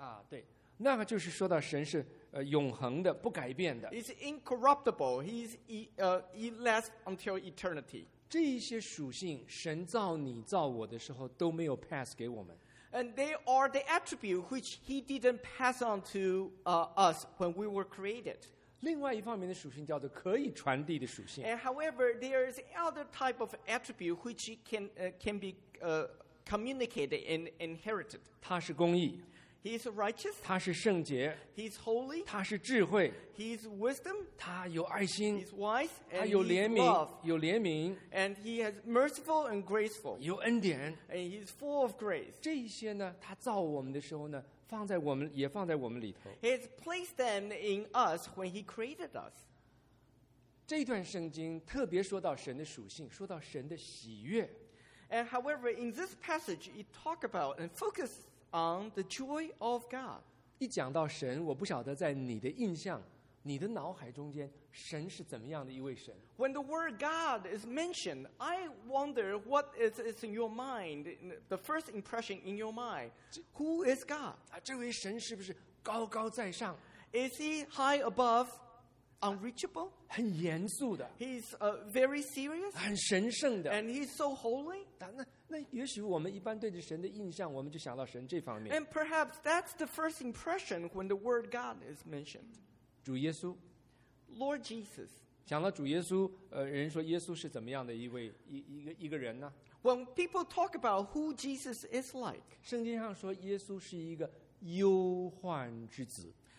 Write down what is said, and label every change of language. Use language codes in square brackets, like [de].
[zh] 对，那个就是说到神是永恒的，不改变的。 [en] He's incorruptible. He lasts until eternity. [zh] 这一些属性，神造你造我的时候都没有 pass 给我们。 [en] And they are the attribute which he didn't pass on to us when we were created. [zh] 另外一方面的属性叫做可以传递的属性。 [en] And however, there is other type of attribute which can be communicated and inherited. [zh] 他是公义。 [en] He is righteous. [zh] 他是圣洁。 [en] He is holy. [zh] 他是智慧。 [en] He is wisdom. [zh] 他有爱心。 [en] He is wise. [zh] 他有怜悯。有怜悯。 [en] And he is merciful and graceful. [zh] 有恩典。 [en] And he is full of grace. [zh] 这些呢，他造我们的时候呢，放在我们，也放在我们里头。 [en] He has placed them in us when he created us. [zh] 这段圣经特别说到神的属性，说到神的喜悦。 [en] And however, in this passage, it talks about and focuses on the joy of God. [zh] 一讲到神，我不晓得在你的印象、你的脑海中间，神是怎么样的一位神。 [en] When the word God is mentioned, I wonder what is in your mind, the first impression in your mind. Who is God? [zh] 这位神是不是高高在上？ [en] Is he high above, unreachable? [zh] 很严肃的。 [en] He's very serious. [zh] 很神圣的。 [en] And he's so holy. [zh] 那也许我们一般对着神的印象，我们就想到神这方面。 [en] And perhaps that's the first impression when the word God is mentioned. [zh] 主耶稣 [en] ，Lord Jesus. [zh] 想到主耶稣，人说耶稣是怎么样的一个人呢 [en] ？When people talk about who Jesus is like, [zh] 圣经上说耶稣是一个忧患之子。